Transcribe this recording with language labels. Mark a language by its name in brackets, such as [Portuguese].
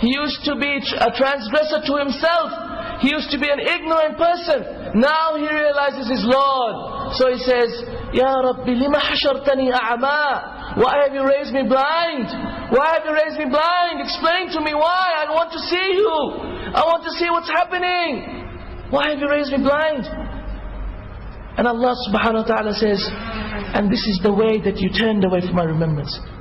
[English] He used to be a transgressor to himself. He used to be an ignorant person. Now he realizes his Lord. So he says, [Arabic] يَا رَبِّ لِمَ حَشَرْتَنِي أَعْمَى. [English] Why have you raised me blind? Why have you raised me blind? Explain to me why. I want to see you. I want to see what's happening. Why have you raised me blind? And Allah subhanahu wa ta'ala says, and this is the way that you turned away from my remembrance.